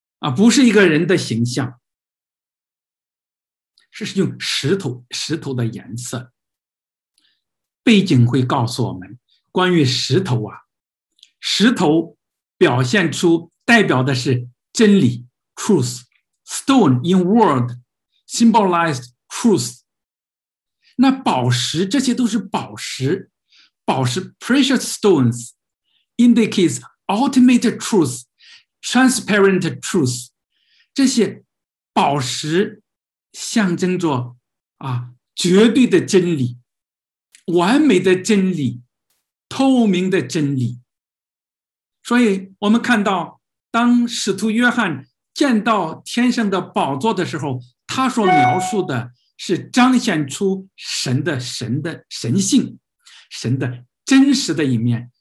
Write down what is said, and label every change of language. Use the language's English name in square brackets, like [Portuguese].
[Chinese] 不是一个人的形象，是用石头的颜色。背景会告诉我们关于石头啊，石头表现出代表的是真理 truth。 [English] Stone in word symbolized truth。 [Chinese] 那宝石，这些都是宝石，宝石 [English] precious stones indicates ultimate truth, transparent truth。 [Chinese] 这些宝石象征着啊绝对的真理，完美的真理，透明的真理。所以我们看到当使徒约翰见到天上的宝座的时候，他所描述的是彰显出神的神性，神的真实的一面。